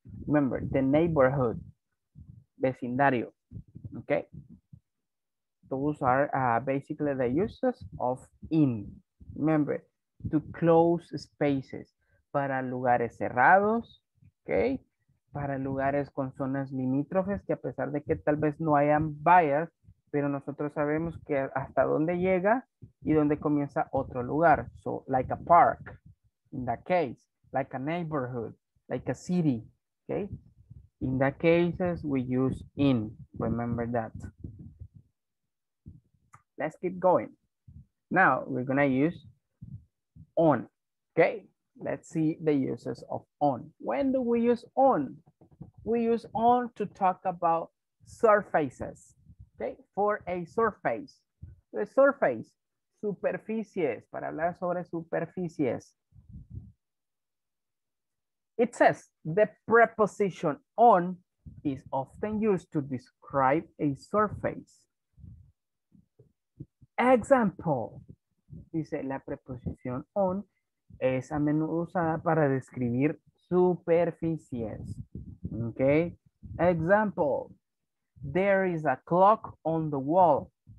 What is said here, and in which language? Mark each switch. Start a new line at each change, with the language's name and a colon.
English: Remember, the neighborhood, vecindario, okay, those are basically the uses of in. Remember, to close spaces,
Spanish: para lugares cerrados, okay, para lugares con zonas limítrofes, que a pesar de que tal vez no hayan vallas, pero nosotros sabemos que hasta dónde llega y dónde comienza otro lugar.
English: So, like a park, in that case, like a neighborhood, like a city, okay? In that cases, we use in, remember that, let's keep going. Now we're gonna use on. Okay, let's see the uses of on. When do we use on? We use on to talk about surfaces. Okay, for a surface. The surface, superficies,
Spanish: para hablar sobre superficies.
English: It says the preposition on is often used to describe a surface.
Spanish: Example, dice la preposición on es a menudo usada para describir superficies.
English: Okay, example, there is a clock on the wall.